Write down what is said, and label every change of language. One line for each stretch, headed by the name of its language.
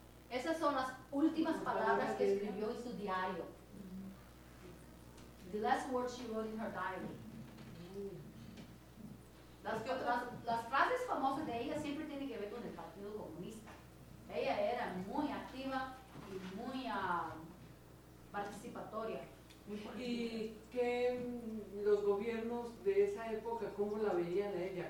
Spanish: Esas son las últimas palabras que escribió en su diario.
English: The last words she wrote in her diary.
Spanish: Las frases famosas de ella siempre tienen que ver con el Partido Comunista. Ella era muy activa y muy participatoria. ¿Y qué los gobiernos de esa época, cómo la veían a ella?